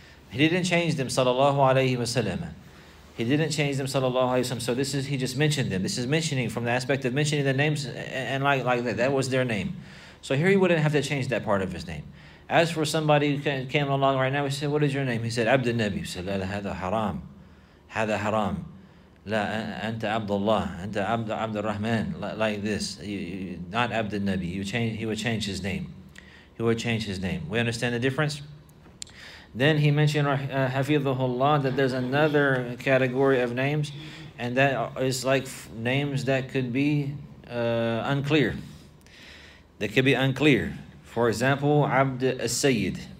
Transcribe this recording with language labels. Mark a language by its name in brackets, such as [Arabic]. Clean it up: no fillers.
[English] He didn't change them, sallallahu alayhi wa sallam. He didn't change them, sallallahu alayhi wa sallam. So this is, he just mentioned them. This is mentioning from the aspect of mentioning the names and like that. That was their name. So here he wouldn't have to change that part of his name. As for somebody who came along right now, he said, what is your name? He said, Abd al-Nabi. He said, [Arabic] la hadha haram. هذا حرام لا أنت عبد الله أنت عبد الرحمن [English] like this not [Arabic] عبد النبي [English] he would change his name. We understand the difference. Then he mentioned Hafidhullah that there's another category of names, and that is like names that could be unclear. For example, عبد السيد.